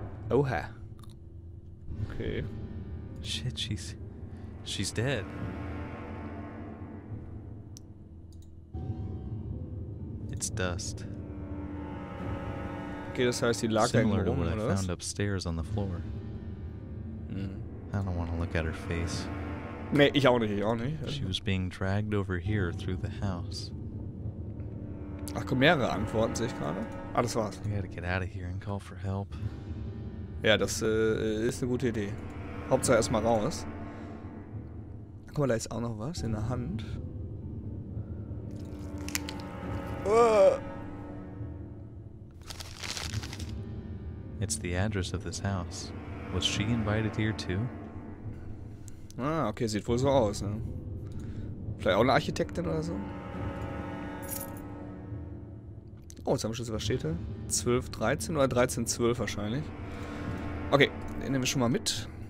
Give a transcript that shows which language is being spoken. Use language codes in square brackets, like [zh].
[de] Oha. Okay. [en] Shit, she's... She's dead. It's dust. [de] Okay, das heißt, die lag da irgendwo rum, oder was? [en] Found upstairs on the floor. I don't want to look at her face. [de] Nee, ich auch nicht, ich auch nicht. [en] She was being dragged over here through the house. [de] Ach komm, mehrere Antworten sehe ich gerade. Ah, das war's. [en] You gotta get out of here and call for help. [de] Ja, das ist eine gute Idee. Hauptsache erstmal raus. Guck mal, da ist auch noch was in der Hand. [en] It's the address of this house. Was she invited here too? [de] Ah, okay, sieht wohl so aus, ne? Vielleicht auch eine Architektin oder so? Oh, jetzt haben wir schon, was steht da? 12:13 oder 13:12 wahrscheinlich. Okay, den nehmen wir schon mal mit.